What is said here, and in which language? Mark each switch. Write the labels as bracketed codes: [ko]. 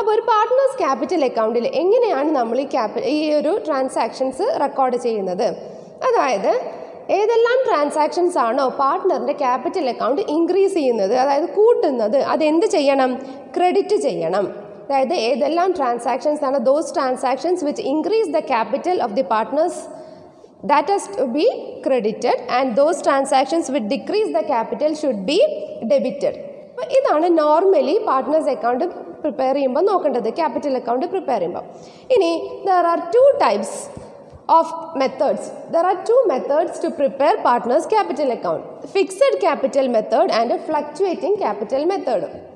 [ml] അപ്പോൾ ഒരു partners capital അക്കൗണ്ടിൽ എങ്ങനെയാണ് നമ്മൾ ഈ ഒരു ട്രാൻസാക്ഷൻസ് റെക്കോർഡ് ചെയ്യുന്നത്, അതായത് ഏതെല്ലാം ട്രാൻസാക്ഷൻസ് ആണോ പാർട്ട്ണറിൻ്റെ ക്യാപിറ്റൽ അക്കൗണ്ട് ഇൻക്രീസ് ചെയ്യുന്നത്, അതായത് കൂട്ടുന്നത്, അതെന്ത് ചെയ്യണം, ക്രെഡിറ്റ് ചെയ്യണം. അതായത് ഏതെല്ലാം ട്രാൻസാക്ഷൻസ് ആണ് [en] Those transactions which increase the capital of the partners that has to be credited and those transactions which decrease the capital should be debited. [ml] അപ്പോൾ ഇതാണ് നോർമലി പാർട്ട്നേഴ്സ് അക്കൗണ്ട് പ്രിപ്പയർ ചെയ്യുമ്പോൾ നോക്കേണ്ടത്, ക്യാപിറ്റൽ അക്കൗണ്ട് പ്രിപ്പയർ ചെയ്യുമ്പോൾ. [en] ഇനി there are two types of methods, there are two methods to prepare partners capital account, fixed capital method and fluctuating capital method.